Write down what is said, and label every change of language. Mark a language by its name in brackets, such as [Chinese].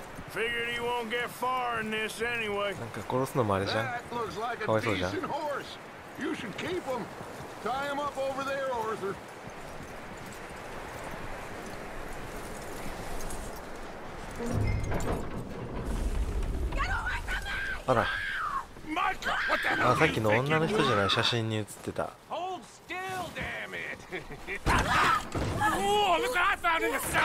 [English] Figured he won't get far in this anyway. [Japanese] なんか殺すのもあれじゃん。かわいそうじゃん。 [English] You should keep him. Tie him up over there, Arthur. Get away from me! [Japanese] あら。マイカ、あ、さっきの女の人じゃない写真に写ってた。 [English] Hold still, damn it! Oh, look what I found in the cellar.